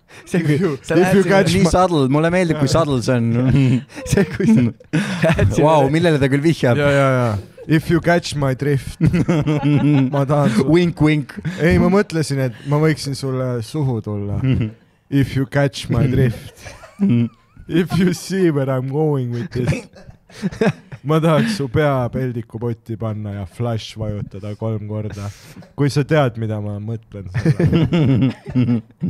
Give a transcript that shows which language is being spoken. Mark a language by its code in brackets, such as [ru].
[et] Nii sadl, mulle meeldib, kui sadl see on. See, kui sa... Wow, millele ta küll vihjab. Ja. [en] If you catch my drift, [et] ma tahan su... [en] Wink, wink. [et] Ei, ma mõtlesin, et ma võiksin sulle suhu tulla. [en] If you catch my drift. If you see where I'm going with this. [et] Ma tahaks su pea peldiku potti panna ja flash vajutada 3 korda. Kui sa tead, mida ma mõtlen sulle.